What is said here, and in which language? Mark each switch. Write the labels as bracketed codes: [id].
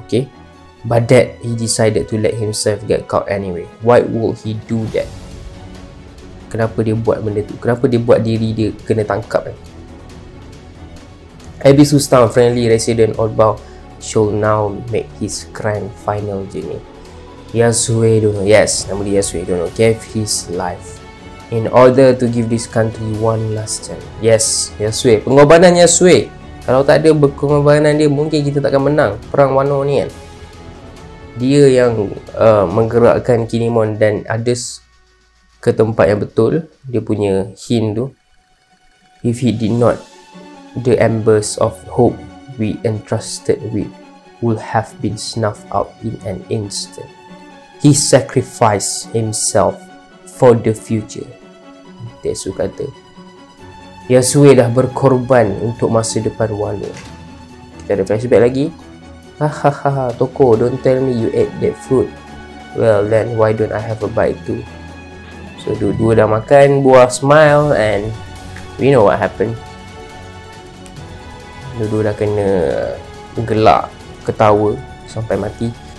[en] Okay, but that he decided to let himself get caught anyway. Why would he do that? [ms] Kenapa dia buat benda tu? Kenapa dia buat diri dia kena tangkap? [en] Ebisu Town, friendly resident Oddball shall now make his grand final journey. Yasui Dono, yes, [ms] nama dia Yasui Dono, [en] gave his life in order to give this country one last chance. [ms] Yes, Yasui, pengorbanan Yasui. Kalau tak ada pengorbanan dia, mungkin kita takkan menang perang Wano ni kan. Dia yang menggerakkan Kinemon dan others ke tempat yang betul. Dia punya hint tu, [en] if he did not, the embers of hope we entrusted with would have been snuffed out in an instant. He sacrificed himself for the future. [ms] Yesu kata, Yasue dah berkorban untuk masa depan Wano. Kita ada flashback lagi. [en] Hahaha, Toko, don't tell me you ate that fruit. Well then, why don't I have a bite too? [ms] So, dua-dua dah makan buah smile [en] and we know what happened. [ms] Dua-dua dah kena gelak, ketawa sampai mati.